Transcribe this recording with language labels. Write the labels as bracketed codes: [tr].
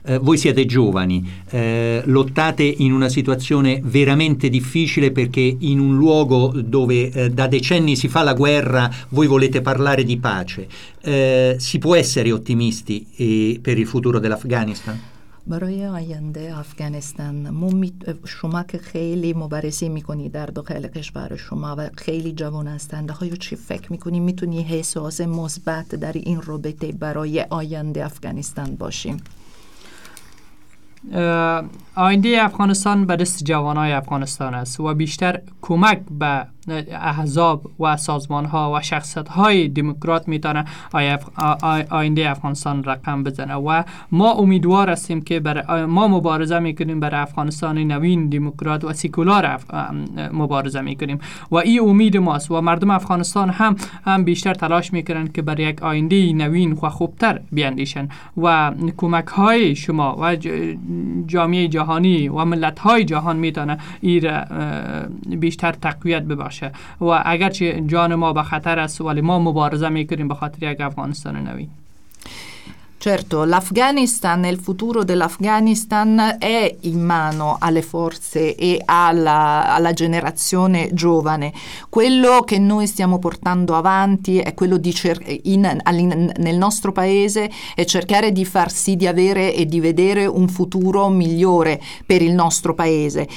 [it] Voi siete giovani, lottate in una situazione veramente difficile perché in un luogo dove da decenni si fa la guerra voi volete parlare di pace. Si può essere ottimisti per il futuro dell'Afghanistan? [fa] برای آینده افغانستان شما که خیلی مبارزه میکنی در داخل کشور شما و خیلی جوان هستند آیا چی فکر میکنی میتونی احساس مثبت در این رابطه برای آینده افغانستان باشیم؟ آینده افغانستان به دست جوانای افغانستان است و بیشتر کمک به احزاب و سازمان ها و شخصیت های دموکرات میتونه آینده افغانستان رقم بزنه و ما امیدوار هستیم که ما مبارزه میکنیم برای افغانستان نوین دموکرات و سکولار مبارزه میکنیم و ای امید ماست و مردم افغانستان هم بیشتر تلاش میکنن که برای یک آینده نوین و خوبتر بیندیشن و کمک های شما و جامعه جهانی و ملت های جهان میتونه ای را بیشتر تقویت ببخشه و اگرچه جان ما به خطر است ولی ما مبارزه میکنیم به خاطر یک افغانستان نوین. [it] Certo, l'Afghanistan e il futuro dell'Afghanistan è in mano alle forze e alla generazione giovane. Quello che noi stiamo portando avanti è quello di nel nostro paese è cercare di far sì di avere e di vedere un futuro migliore per il nostro paese.